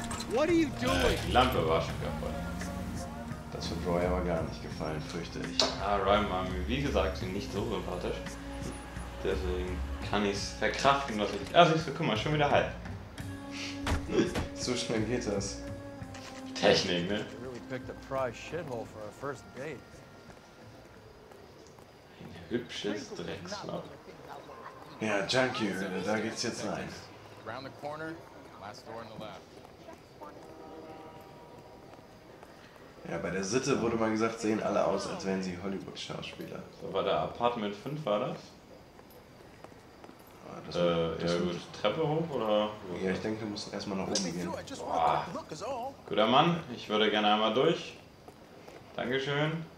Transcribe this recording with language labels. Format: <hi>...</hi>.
<en>What are you doing?</en> <de>Die Lampe war schon kaputt. Das wird Roy aber gar nicht gefallen, fürchte ich. Ah, Roy war mir, wie gesagt, nicht so sympathisch. Deswegen kann ich es verkraften, dass ich. Ah, siehst du, guck mal, schon wieder halb. So schnell geht das. Technik, ne?</de> <en>You really picked a prize shithole for our first date.</en> <de>Ein hübsches Drecksloch. Ja, Junkie, da geht's jetzt rein.</de> <en>Round the corner, last door on the left.</en> <de>Ja, bei der Sitte wurde mal gesagt, sehen alle aus, als wären sie Hollywood-Schauspieler. So, war der Apartment 5, war das? Ah, das ja das gut, Treppe hoch oder? Ja, ich denke, wir müssen erstmal nach oben gehen. Boah. Guter Mann, ich würde gerne einmal durch. Dankeschön.</de>